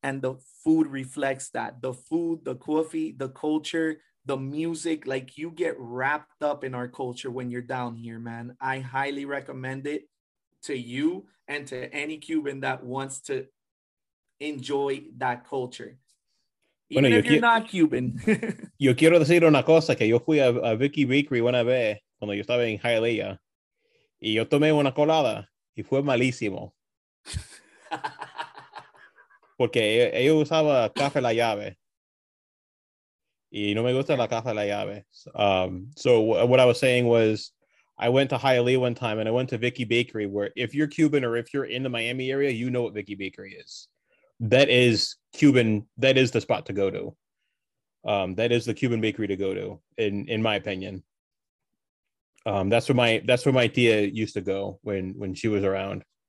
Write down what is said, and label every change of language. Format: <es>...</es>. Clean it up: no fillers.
<en>And the food reflects that. The food, the coffee, the culture, the music. Like, you get wrapped up in our culture when you're down here, man. I highly recommend it to you and to any Cuban that wants to enjoy that culture.</en> <es>Bueno,</es> <en>even if you're not Cuban.</en> <es>Yo quiero decir una cosa, que yo fui a Vicky Bakery una vez cuando yo estaba en Hialeah y yo tomé una colada y fue malísimo. Porque ellos usaban caja la llave. Y no me gusta la caja la llave.</es> <en>So what I was saying was, I went to Hialeah one time and I went to Vicky Bakery, where if you're Cuban or if you're in the Miami area, you know what Vicky Bakery is. That is Cuban. That is the spot to go to. That is the Cuban bakery to go to, in my opinion. That's where my tia used to go when she was around.</en>